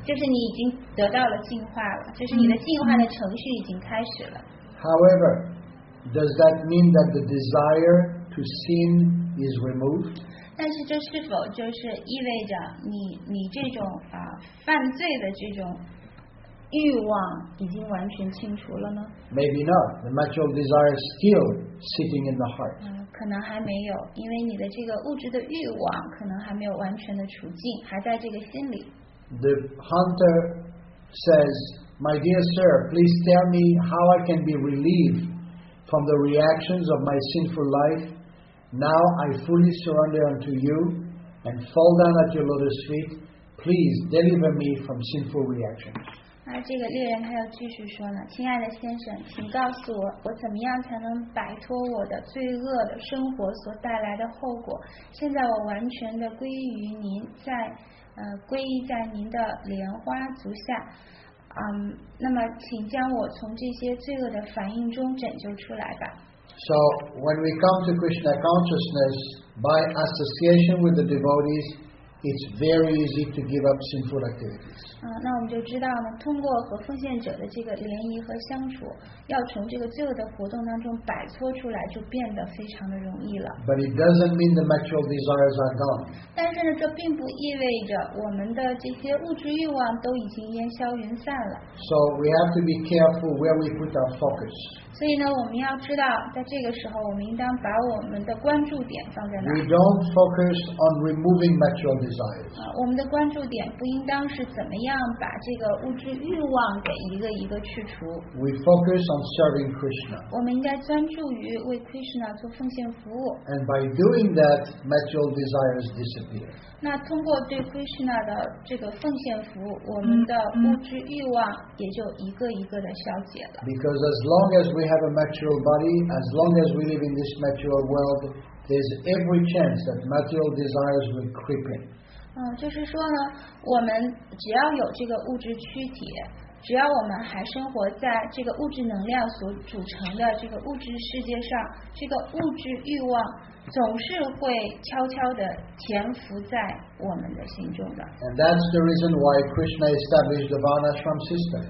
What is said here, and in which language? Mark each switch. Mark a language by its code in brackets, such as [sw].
[zh] 就是你已经得到了进化了，就是你的进化的程序已经开始了。 [en] However, does that mean that the desire to sin is removed? [zh] 但是这是否就是意味着你这种犯罪的这种欲望已经完全清除了呢？ [en] Maybe not. The material desire is still sitting in the heart. [zh] 可能还没有，因为你的这个物质的欲望可能还没有完全的除尽，还在这个心里。 [en] The hunter says, "My dear sir, please tell me how I can be relieved from the reactions of my sinful life. Now I fully surrender unto you and fall down at your lotus feet. Please deliver me from sinful reactions." [zh] 那这个猎人他又继续说呢，亲爱的先生，请告诉我，我怎么样才能摆脱我的罪恶的生活所带来的后果？现在我完全的归于您，在。归依在您的莲花足下，那么请将我从这些罪恶的反应中拯救出来吧。 [en] So when we come to Krishna consciousness by association with the devotees, it's very easy to give up sinful activities. [zh] 那我们就知道呢，通过和奉献者的这个联谊和相处，要从这个罪恶的活动当中摆脱出来，就变得非常的容易了。 [en] But it doesn't mean the material desires are gone. [zh] 但是呢，这并不意味着我们的这些物质欲望都已经烟消云散了。 [en] So we have to be careful where we put our focus. [zh] 所以呢，我们要知道，在这个时候，我们应当把我们的关注点放在哪里。 [en] We don't focus on removing material desires. [zh] 我们的关注点不应当是怎么样把这个物质欲望给一个一个去除。 [en] We focus on serving Krishna. [zh] 我们应该专注于为 Krishna 做奉献服务。 [en] And by doing that, material desires disappear. [zh] 那通过对 Krishna 的这个奉献服务，我们的物质欲望也就一个一个的消解了。 [en] Because as long as we have a material body, as long as we live in this material world, there's every chance that material desires will creep in. [zh] 就是说呢，我们只要有这个物质躯体，只要我们还生活在这个物质能量所组成的这个物质世界上，这个物质欲望总是会悄悄地潜伏在我们的心中的。 [en] And that's the reason why Krishna established the Varnashram system.